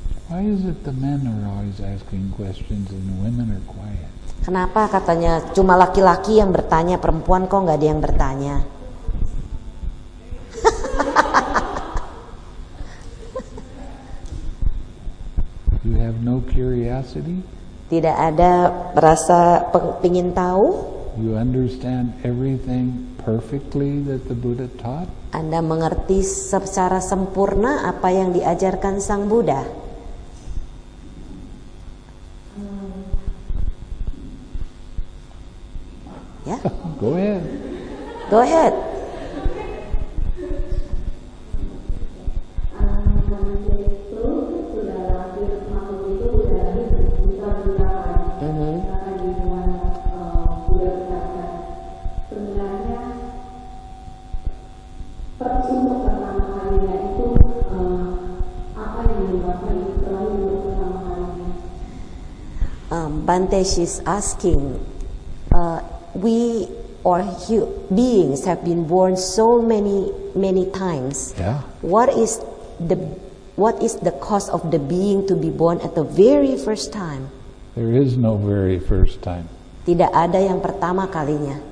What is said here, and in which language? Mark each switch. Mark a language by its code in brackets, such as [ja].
[en] Why is it the men are always asking questions and women are quiet? [id] Kenapa katanya cuma laki-laki yang bertanya, perempuan kok enggak ada yang bertanya? [en] You have no curiosity? [id] Tidak ada rasa pengin tahu? [en] You understand everything perfectly that the Buddha taught? [id] Anda mengerti secara sempurna apa yang diajarkan Sang Buddha? [en] Go ahead. Go ahead. Bante, she's asking, we or beings have been born so many times. Yeah. What is the cause of the being to be born at the very first time? There is no very first time. [id] Tidak ada yang pertama kalinya.